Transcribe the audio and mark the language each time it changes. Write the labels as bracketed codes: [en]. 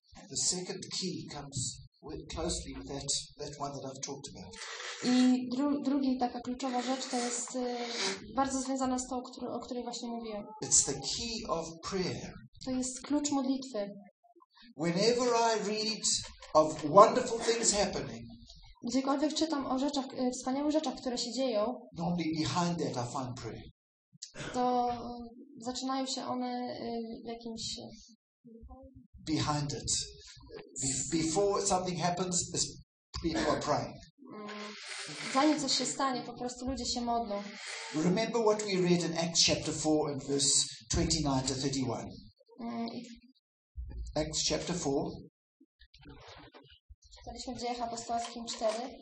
[en] The second key comes with closely with that one that I've talked about. [pl] I drugi taka kluczowa rzecz to jest bardzo związana z tą, o której właśnie mówiłem. [en] It's the key of prayer. [pl] To jest klucz modlitwy. [en] Whenever I read of wonderful things happening. [pl] Gdziekolwiek czytam o rzeczach, wspaniałych rzeczach, które się dzieją. [en] Normally behind that I find prayer. [pl] To zaczynają się one jakimś. [en] Behind it. Before something happens, people are praying. [pl] Zanim coś się stanie, po prostu ludzie się modlą. [en] Remember what we read in Acts chapter 4 and verse 29-31. Acts chapter 4. [pl] Czytaliśmy w Dziejach Apostolskich 4.